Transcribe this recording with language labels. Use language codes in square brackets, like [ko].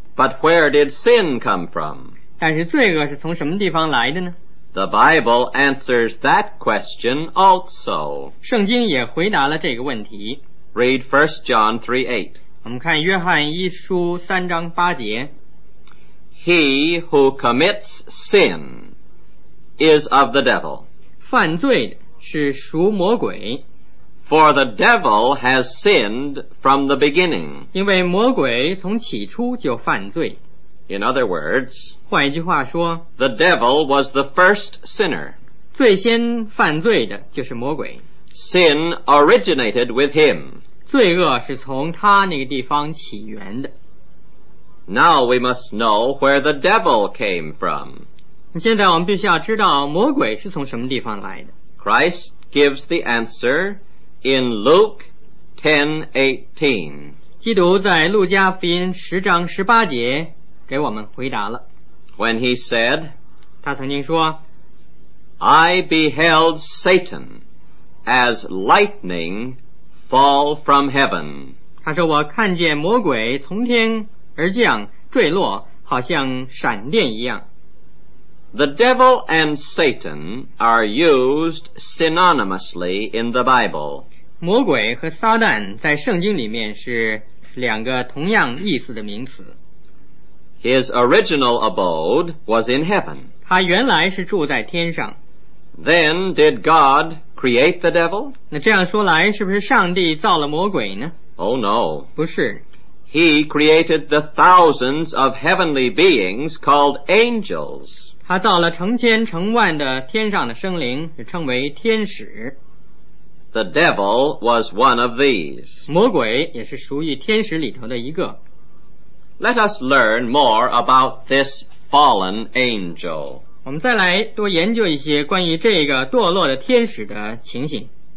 [en] But where did sin come from? [zh] 但是罪恶是从什么地方来的呢？ [en] The Bible answers that question also. [zh] 圣经也回答了这个问题。 [en] Read 1 John 3:8. [zh] 我们看约翰一书三章八节。 [en] He who commits sin is of the devil. [zh] 犯罪的是属魔鬼。 [en] For the devil has sinned from the beginning. [zh] 因为魔鬼从起初就犯罪。 [en] In other words, [zh] 换一句话说, [en] the devil was the first sinner. [zh] 最先犯罪的就是魔鬼。 [en] Sin originated with him. [zh] 罪恶是从他那个地方起源的。 [en] Now we must know where the devil came from. [zh] 现在我们必须要知道魔鬼是从什么地方来的。 [en] Christ gives the answer in Luke 10:18. [zh] 基督在路加福音十章十八节给我们回答了。 [en] When he said, [zh] 他曾经说, [en] I beheld Satan as lightning fall from heaven. [zh] 他说我看见魔鬼从天而降坠落好像闪电一样。 [en] The devil and Satan are used synonymously in the Bible. [zh] 魔鬼和撒旦在圣经里面是两个同样意思的名词。 [en] His original abode was in heaven. [zh] 他原来是住在天上。 [en] Then did God create the devil? [zh] 那这样说来，是不是上帝造了魔鬼呢？ [en] Oh no. [zh] 不是。 [en] He created the thousands of heavenly beings called angels. [zh] 他造了成千成万的天上的生灵，称为天使。 [en] The devil was one of these. [zh] 魔鬼也是属于天使里头的一个。 [en] Let us learn more about this fallen angel. [zh] 我们再来多研究一些关于这个堕落的天使的情形。